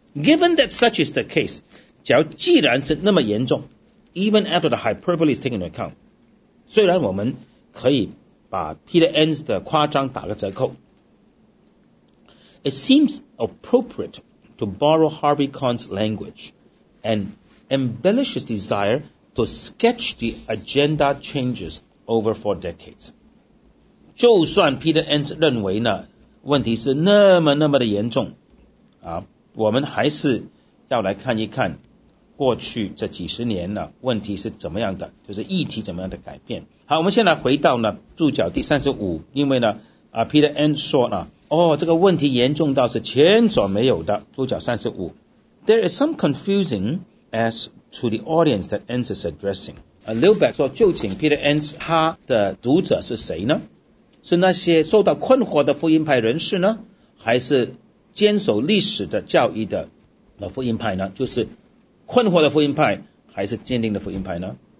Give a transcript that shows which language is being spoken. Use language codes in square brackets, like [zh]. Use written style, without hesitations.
[en] Given that such is the case, [zh] 既然是那么严重， [en] even after the hyperbole is taken into account, [zh] 虽然我们可以把 Peter Enns 的夸张打个折扣， [en] It seems appropriate to borrow Harvey Kahn's language and embellish his desireto sketch the agenda changes over 4 decades. [zh] 就算 Peter Enns 认为呢问题是那么那么的严重、我们还是要来看一看过去这几十年呢问题是怎么样的，就是议题怎么样的改变。好，我们先来回到呢注脚第35，因为呢、Peter Enns 说呢这个问题严重到是前所没有的。 [en] 注脚 35， There is some confusing as to the audience that Enns is addressing. [zh] Lilbeck 说究竟 Peter Enns 他的读者是谁呢？是那些受到困惑的福音派人士呢？还是坚守历史的教义的福音派呢？就是困惑的福音派还是坚定的福音派呢？